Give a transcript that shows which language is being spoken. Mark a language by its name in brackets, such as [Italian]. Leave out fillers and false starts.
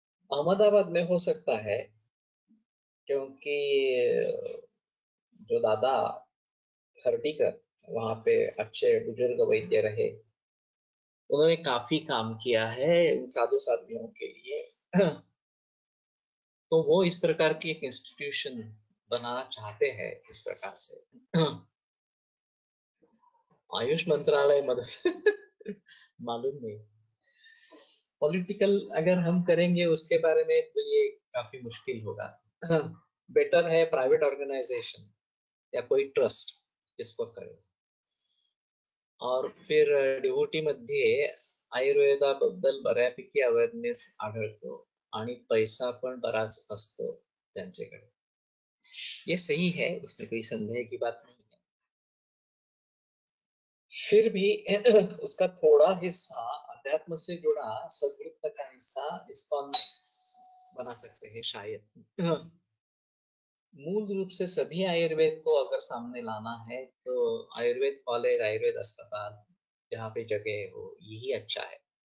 [Hindi] अहमदाबाद में हो सकता है, क्योंकि जो दादा हर्डीकर वहां पे अच्छे बुजुर्ग वैद्य रहे, उन्होंने काफी काम किया है इन साधु साधियों के लिए, तो वो इस प्रकार की एक इंस्टीट्यूशन बनाना चाहते हैं इस प्रकार से। आयुष मंत्रालय मदद से मालूम नहीं, पॉलिटिकल अगर हम करेंगे उसके बारे में तो ये काफी मुश्किल होगा। बेटर है प्राइवेट ऑर्गेनाइजेशन या कोई ट्रस्ट इसको करे, और फिर [Marathi] डिवोटी मध्ये आयुर्वेदा बद्दल बऱ्यापैकी अवेअरनेस आढळतो आणि पैसा पण बराच असतो त्यांच्याकडे। [Hindi] ये सही है, उसमें कोई संदेह की बात नहीं है। फिर भी उसका थोड़ा हिस्सा अध्यात्म से जुड़ा सद्वृत्त का हिस्सा इस्कॉन बना सकते हैं शायद। मूल रूप से सभी आयुर्वेद को अगर सामने लाना है तो आयुर्वेद कॉलेज, आयुर्वेद अस्पताल जहाँ पे जगह हो यही अच्छा है।